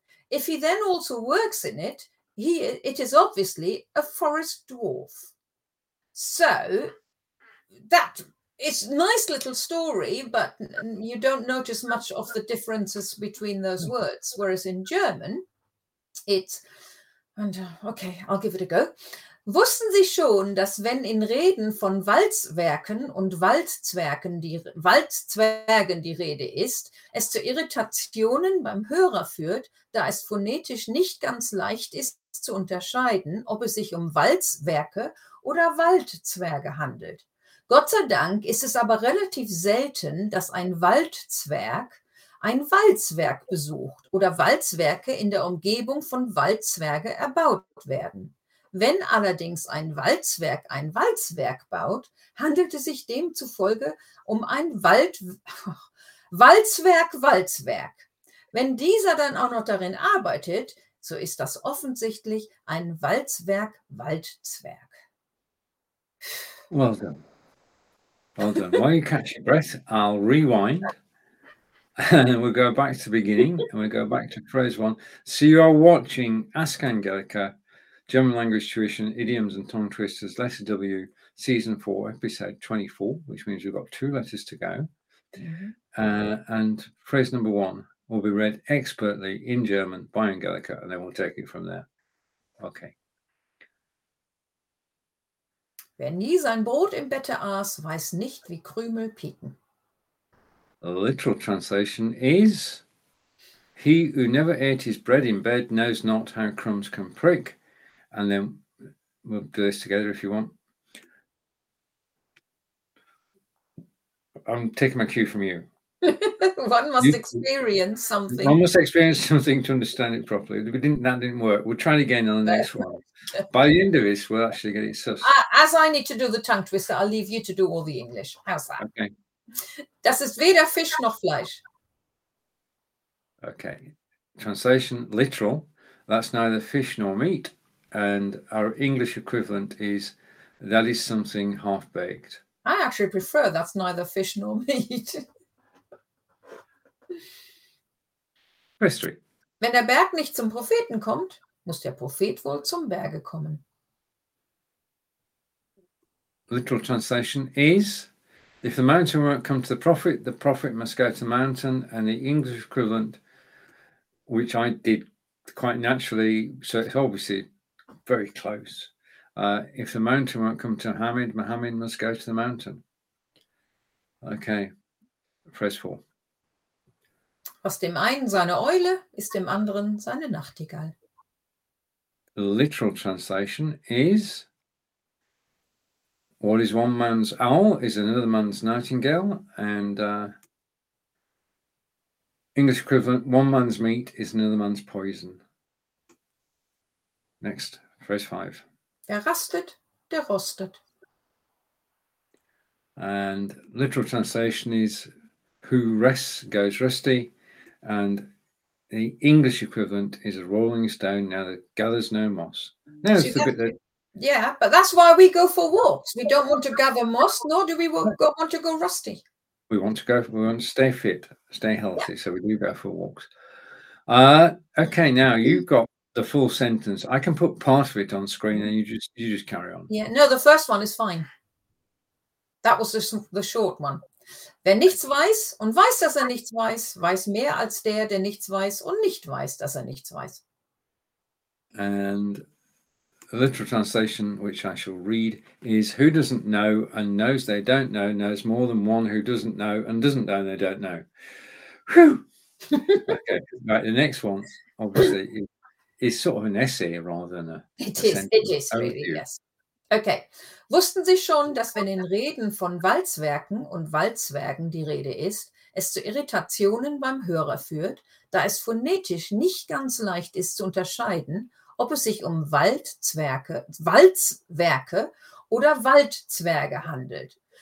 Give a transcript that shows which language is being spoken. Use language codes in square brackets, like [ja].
[en] If he then also works in it, it is obviously a forest dwarf. So that is a nice little story, but you don't notice much of the differences between those words. Whereas in German, I'll give it a go. [de] Wussten Sie schon, dass wenn in Reden von Walzwerken und Waldzwergen die Rede ist, es zu Irritationen beim Hörer führt, da es phonetisch nicht ganz leicht ist zu unterscheiden, ob es sich Walzwerke oder Waldzwerge handelt? Gott sei Dank ist es aber relativ selten, dass ein Waldzwerg ein Walzwerk besucht oder Walzwerke in der Umgebung von Waldzwerge erbaut werden. Wenn allerdings ein Walzwerk baut, handelt es sich demzufolge ein Walzwerk. Wenn dieser dann auch noch darin arbeitet, so ist das offensichtlich ein Walzwerk. [en] Well done. While you catch your breath, I'll rewind. And then we'll go back to the beginning and we'll go back to phrase one. So you are watching Ask Angelica, German Language Tuition, Idioms and Tongue Twisters, Letter W, Season 4, Episode 24, which means we've got two letters to go. Mm-hmm. And phrase number one will be read expertly in German by Angelica, and then we'll take it from there. Okay. [de] Wer nie sein Brot im Bette aß, weiß nicht, wie Krümel pieken. [en] Literal translation is, he who never ate his bread in bed knows not how crumbs can prick. And then we'll do this together if you want. I'm taking my cue from you. One must experience something to understand it properly. That didn't work. We'll try it again on the next one. By the end of this, we'll actually get it sussed. As I need to do the tongue twister, I'll leave you to do all the English. How's that? Okay. [de] Das ist weder Fisch noch Fleisch. [en] Okay. Translation, literal. That's neither fish nor meat. And our English equivalent is, that is something half-baked. I actually prefer that's neither fish nor meat. History. [de] Wenn der Berg nicht zum Propheten kommt, muss der Prophet wohl zum Berge kommen. [en] Literal translation is, if the mountain won't come to the prophet must go to the mountain. And the English equivalent, which I did quite naturally, so it's obviously very close. If the mountain won't come to Muhammad, Muhammad must go to the mountain. Okay, phrase four. [de] Was dem einen seine Eule, ist dem anderen seine Nachtigall. [en] Literal translation is, what is one man's owl is another man's nightingale. And English equivalent, one man's meat is another man's poison. Next, phrase five. [de] Wer rastet, der rostet. [en] And literal translation is, who rests goes rusty. And the English equivalent is a rolling stone now that gathers no moss. Now it's the bit that... Yeah, but that's why we go for walks. We don't want to gather moss, nor do we want to go rusty. We want to stay fit, stay healthy, yeah. So we do go for walks. Okay, now you've got the full sentence. I can put part of it on screen and you just carry on. Yeah, no, the first one is fine. That was the short one. [de] Wer nichts weiß und weiß, dass nichts weiß, weiß mehr als der nichts weiß und nicht weiß, dass nichts weiß. [en] And a literal translation, which I shall read, is who doesn't know and knows they don't know, knows more than one who doesn't know and doesn't know they don't know. Whew! Okay, right, the next one, obviously, is sort of an essay rather than a sentence. Yes. Okay. [de] Wussten Sie schon, dass wenn in Reden von Walzwerken und Walzwergen die Rede ist, es zu Irritationen beim Hörer führt, da es phonetisch nicht ganz leicht ist zu unterscheiden, ob es sich um Walzwerke oder Waldzwerge handelt.